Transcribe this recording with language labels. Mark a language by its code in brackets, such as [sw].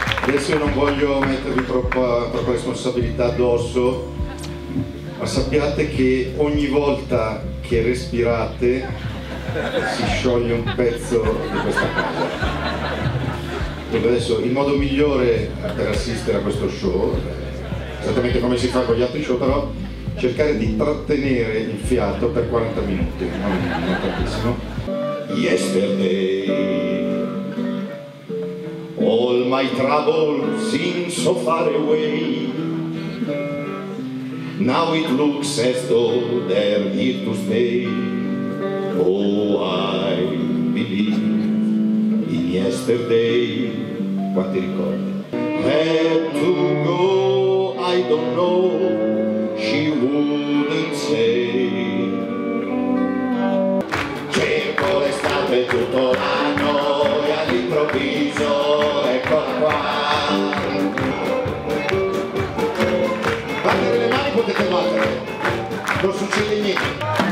[it] Adesso non voglio mettervi troppa responsabilità addosso, ma sappiate che ogni volta che respirate si scioglie un pezzo di questa cosa. Adesso il modo migliore per assistere a questo show, esattamente come si fa con gli altri show, però cercare di trattenere il fiato per 40 minuti, non tantissimo. [en] Yesterday, all my trouble seem so far away. Now it looks as though they're here to stay. Oh, I believe in yesterday. [it] Quanti ricordi? [en] Had to go, I don't know, she wouldn't say. [it] Cerco l'estate tutto l'anno e all'improvviso qua. Battere le mani potete battere, non succede niente.